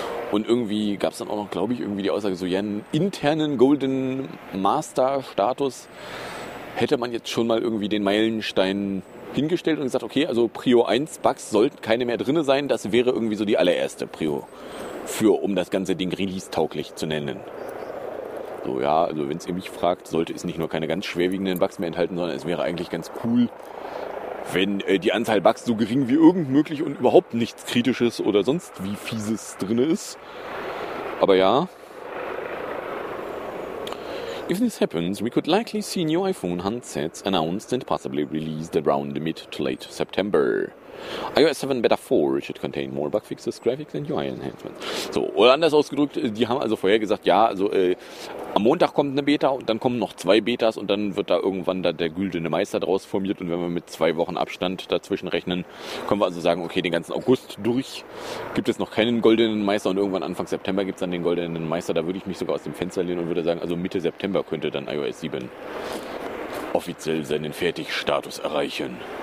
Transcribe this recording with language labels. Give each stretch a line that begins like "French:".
German: Und irgendwie gab es dann auch noch, glaube ich, irgendwie die Aussage, so ja, einen internen Golden Master Status hätte man jetzt schon mal irgendwie den Meilenstein hingestellt und gesagt, okay, also Prio 1 Bugs sollten keine mehr drin sein, das wäre irgendwie so die allererste Prio für, um das ganze Ding release-tauglich zu nennen. So, ja, also wenn es ihr mich fragt, sollte es nicht nur keine ganz schwerwiegenden Bugs mehr enthalten, sondern es wäre eigentlich ganz cool, wenn die Anzahl Bugs so gering wie irgend möglich und überhaupt nichts Kritisches oder sonst wie Fieses drin ist. Aber ja,
English: if this happens, we could likely see new iPhone handsets announced and possibly released around mid to late September. iOS 7 Beta 4 should contain more bug fixes, graphics and UI enhancements.
German: So, oder anders ausgedrückt, die haben also vorher gesagt, ja, also am Montag kommt eine Beta und dann kommen noch zwei Betas und dann wird da irgendwann da der güldene Meister draus formiert und wenn wir mit zwei Wochen Abstand dazwischen rechnen, können wir also sagen, okay, den ganzen August durch gibt es noch keinen goldenen Meister und irgendwann Anfang September gibt es dann den goldenen Meister, da würde ich mich sogar aus dem Fenster lehnen und würde sagen, also Mitte September könnte dann iOS 7 offiziell seinen Fertigstatus erreichen.